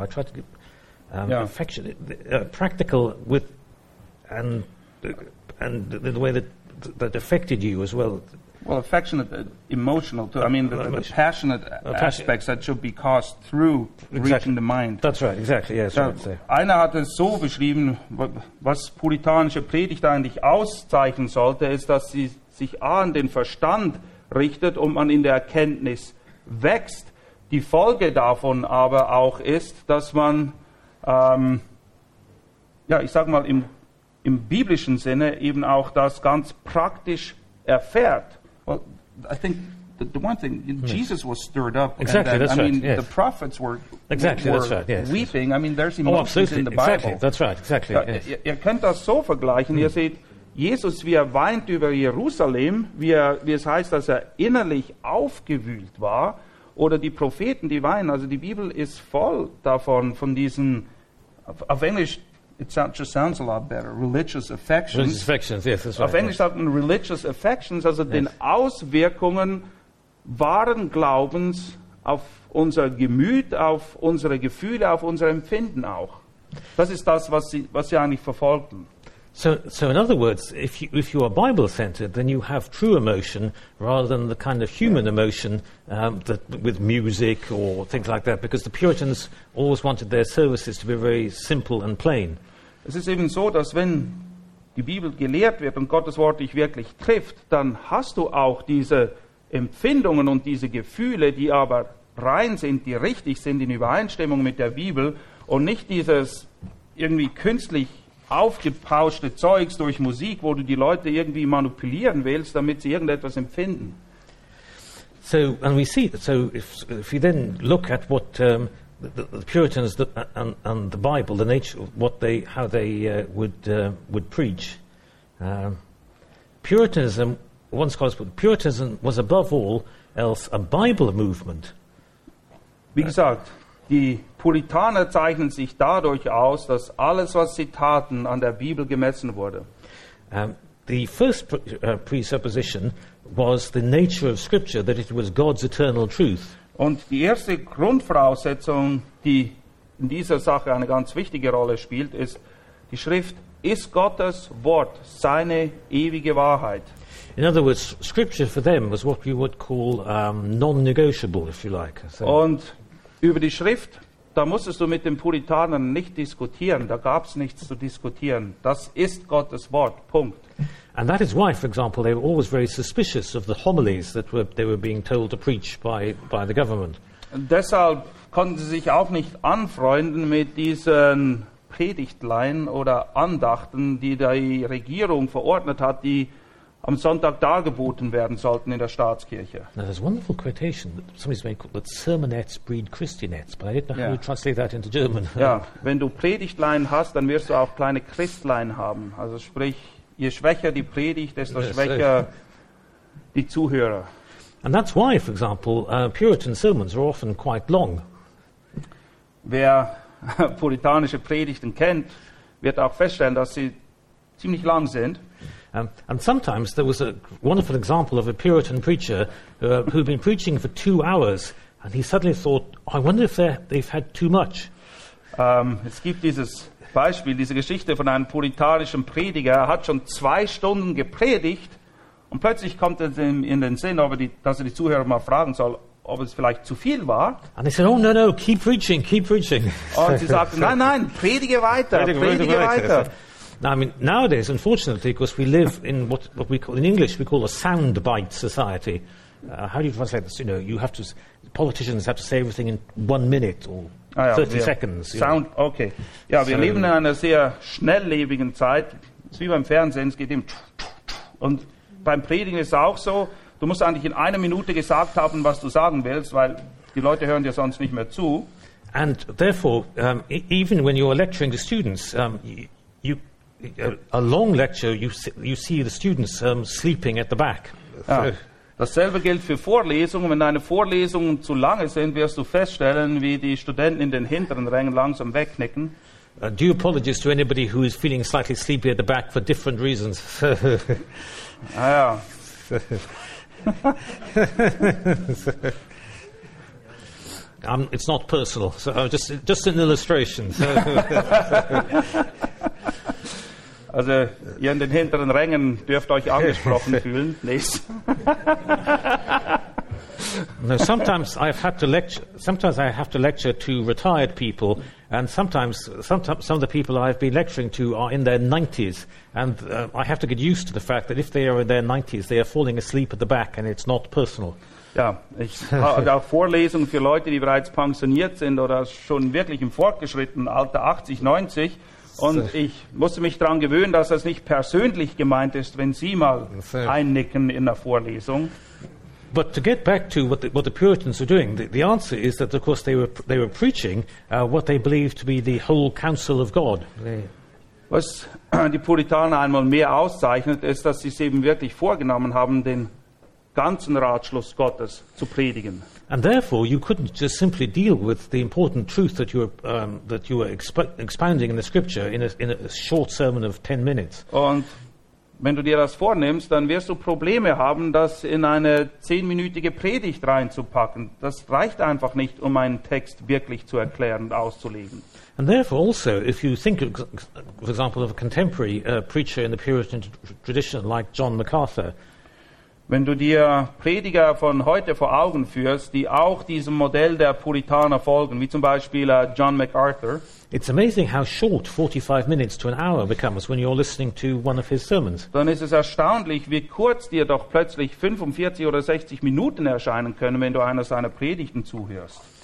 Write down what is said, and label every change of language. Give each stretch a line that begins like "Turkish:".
English: I tried to get affectionate practical with and the way that affected you as well. Well, affectionate, emotional, too. I mean, the passionate aspects that should be caused through reaching the mind. That's right, exactly, yes. Yeah,
German: einer hat es so beschrieben, was puritanische Predigt eigentlich auszeichnen sollte, ist, dass sie sich an den Verstand richtet und man in der Erkenntnis wächst. Die Folge davon aber auch ist, dass man, ich sag mal, im biblischen Sinne eben auch das ganz praktisch erfährt.
English: Well, I think the one thing, Jesus was stirred up. Exactly, that's right. I mean, right, yes. The prophets were, exactly, were that's right, yes, weeping. Yes. I mean, there's emotions absolutely. In the Bible. Exactly, that's right, exactly. Yes.
German: Ihr könnt das so vergleichen. Ihr seht, Jesus, wie er weint über Jerusalem, wie es heißt, dass er innerlich aufgewühlt war, oder die Propheten, die weinen. Also die Bibel ist voll davon, von diesen, auf Englisch,
English: it just sounds a lot better. Religious affections. Religious affections, yes, that's right.
German: Auf Englisch sagt man
English: religious affections,
German: also den Auswirkungen wahren Glaubens auf unser Gemüt, auf unsere Gefühle, auf unser Empfinden auch. Das ist das, was sie eigentlich verfolgen.
English: So in other words, if you are Bible-centered, then you have true emotion rather than the kind of human emotion that with music or things like that, because the Puritans always wanted their services to be very simple and plain.
German: Es ist eben so, dass wenn die Bibel gelehrt wird und Gottes Wort dich wirklich trifft, dann hast du auch diese Empfindungen und diese Gefühle, die aber rein sind, die richtig sind, in Übereinstimmung mit der Bibel und nicht dieses irgendwie künstlich aufgepauschte Zeugs durch Musik, wo du die Leute irgendwie manipulieren willst, damit sie irgendetwas empfinden.
English: So, and we see, so if you then look at what the Puritans and the Bible, the nature of what they, how they would preach, Puritanism, one scholar's put, Puritanism was above all else a Bible movement.
German: Wie gesagt, die Puritaner zeichnen sich dadurch aus, dass alles, was sie taten, an der Bibel gemessen wurde.
English: The first presupposition was the nature of Scripture, that it was God's eternal truth.
German: Und die erste Grundvoraussetzung, die in dieser Sache eine ganz wichtige Rolle spielt, ist, die Schrift ist Gottes Wort, seine ewige Wahrheit.
English: In other words, Scripture for them was what we would call non-negotiable, if you like. So.
German: Und über die Schrift, da musstest du mit den Puritanern nicht diskutieren, da gab es nichts zu diskutieren. Das ist Gottes Wort, Punkt.
English: And that is why, for example, they were always very suspicious of the homilies that were, they were being told to preach by the government.
German: Deshalb konnten sie sich auch nicht anfreunden mit diesen Predigtlein oder Andachten, die die Regierung verordnet hat, die am Sonntag dargeboten werden sollten in der Staatskirche.
English: Now there's a wonderful quotation that somebody's made called that sermonettes breed Christianettes, but I didn't know how to translate that into German.
German: Ja, wenn du Predigtlein hast, dann wirst du auch kleine Christlein haben. Also sprich, je schwächer die Predigt, desto schwächer die Zuhörer.
English: And that's why, for example, Puritan sermons are often quite long.
German: Wer puritanische Predigten kennt, wird auch feststellen, dass sie ziemlich lang sind.
English: And sometimes there was a wonderful example of a Puritan preacher who had been preaching for 2 hours, and he suddenly thought, oh, I wonder if they've had too much.
German: Es gibt dieses Beispiel, diese Geschichte von einem puritanischen Prediger. Er hat schon 2 Stunden gepredigt und plötzlich kommt es ihm in den Sinn, dass er die Zuhörer mal fragen soll, ob es vielleicht zu viel war.
English: And they said, oh, no, keep preaching, keep preaching.
German: Und sie sagten, nein, predige weiter, predige weiter.
English: Now, I mean, nowadays, unfortunately, because we live in what we call, in English, we call a soundbite society. How do you translate this? You know, you have to, politicians have to say everything in 1 minute or 30 seconds. Sound, know. Okay.
German: Ja, wir leben in einer sehr schnelllebigen Zeit. Es ist wie beim Fernsehen, es geht eben und beim Predigen ist es auch so, du musst eigentlich in 1 Minute gesagt haben, was du sagen willst, weil die Leute hören dir sonst nicht mehr zu.
English: And therefore, even when you are lecturing the students, a long lecture, you see the students sleeping at the back.
German: Ja. Dasselbe gilt für Vorlesungen. Wenn deine Vorlesungen zu lange sind, wirst du feststellen, wie die Studenten in den hinteren Rängen langsam wegknicken.
English: Do you apologize to anybody who is feeling slightly sleepy at the back for different reasons?
German: Ah ja.
English: It's not personal. So just an illustration.
German: Also ihr in den hinteren Rängen dürft euch angesprochen fühlen. Nächste.
English: No, sometimes I have to lecture to retired people, and sometimes some of the people I've been lecturing to are in their 90s, and I have to get used to the fact that if they are in their 90s, they are falling asleep at the back, and it's not personal.
German: Ja, ich habe auch Vorlesungen für Leute, die bereits pensioniert sind oder schon wirklich im fortgeschrittenen Alter, 80, 90. Und ich musste mich daran gewöhnen, dass das nicht persönlich gemeint ist, wenn Sie mal einnicken in der Vorlesung.
English: But to get back to what the Puritans were doing, the answer is that of course they were preaching what they believed to be the whole counsel of God.
German: Was die Puritaner einmal mehr auszeichnet, ist, dass sie es eben wirklich vorgenommen haben, den ganzen Ratschluss Gottes zu predigen.
English: And therefore, you couldn't just simply deal with the important truth that you were expounding in the Scripture in a short sermon of 10 minutes.
German: Und wenn du dir das vornimmst, dann wirst du Probleme haben, das in eine 10-minütige Predigt reinzupacken. Das reicht einfach nicht, um einen Text wirklich zu erklären und auszulegen.
English: And therefore, also, if you think, for example, of a contemporary preacher in the Puritan tradition like John MacArthur.
German: Wenn du dir Prediger von heute vor Augen führst, die auch diesem Modell der Puritaner folgen, wie zum Beispiel John MacArthur.
English: It's amazing how short 45 minutes to an hour becomes when you're listening to one of his sermons.
German: Dann ist es erstaunlich, wie kurz dir doch plötzlich 45 oder 60 Minuten erscheinen können, wenn du einer seiner Predigten zuhörst.